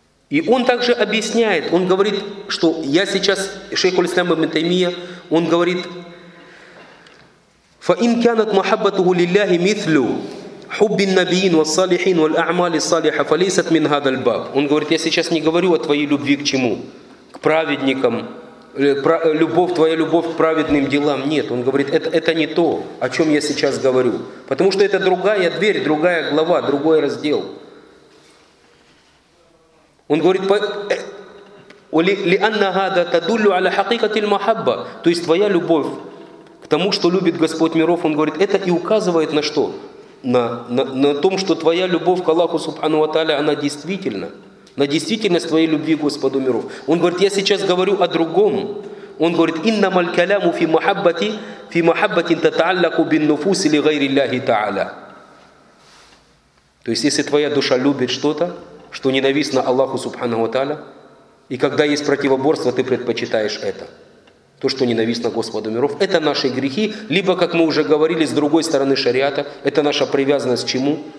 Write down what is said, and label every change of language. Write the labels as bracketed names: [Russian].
[Russian] И он также объясняет, он говорит, что я сейчас, шейх аль-Ислам ибн Таймия, он говорит, [Arabic] فَإِنْ كَانَتْ مَحَبَّتُهُ لِلَّهِ مِثْلُ حُبِّ النَّبِيِّينَ وَالصَّالِحِينَ وَالْأَعْمَالِ الصَّالِحَةِ فَلَيْسَتْ مِنْ هَذَا الْبَابِ. [Russian] Он говорит, я сейчас не говорю о твоей любви к чему? К праведникам, твоя любовь к праведным делам. Нет, он говорит, это не то, о чем я сейчас говорю. Потому что это другая дверь, другая глава, другой раздел. Он говорит, [Arabic] لِأَنَّ هَذَا تَدُلُّ عَلَى حَقِيقَةِ الْمَحَبَّةِ. [Russian] То есть твоя любовь к тому, что любит Господь миров, он говорит, это и указывает на что? На том, что твоя любовь к Аллаху Субхану ва Тааля, она действительна. На действительность твоей любви к Господу миров. Он говорит, я сейчас говорю о другом. Он говорит, [Arabic] إِنَّمَا الْكَلَامُ فِي مَحَبَّةِ تَتَعَلَّقُ بِالنُّفُوسِ لِغَيْرِ اللَّهِ تَعَالَى. [Russian] То есть если твоя душа любит что-то, что ненавистно Аллаху Субхану ва Тааля, и когда есть противоборство, ты предпочитаешь это. То, что ненавистно Господу миров, это наши грехи, либо, как мы уже говорили, с другой стороны шариата, это наша привязанность к чему?